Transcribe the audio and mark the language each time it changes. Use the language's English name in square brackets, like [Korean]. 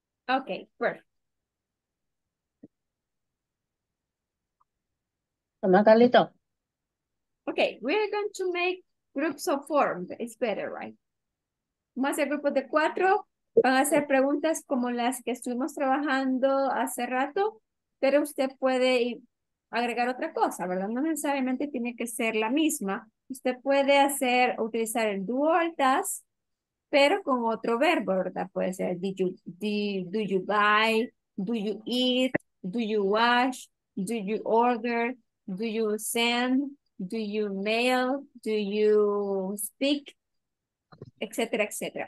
[English] Okay, perfect. Okay, we're going to make groups of four. It's better, right? [Spanish] Vamos a hacer grupos de cuatro. Van a hacer preguntas como las que estuvimos trabajando hace rato, pero usted puede agregar otra cosa, ¿verdad? No necesariamente tiene que ser la misma. Usted puede hacer, utilizar el dual task, pero con otro verbo, ¿verdad? Puede ser, [English] do you buy, do you eat, do you wash, do you order, do you send, do you mail, do you speak, etc., etc.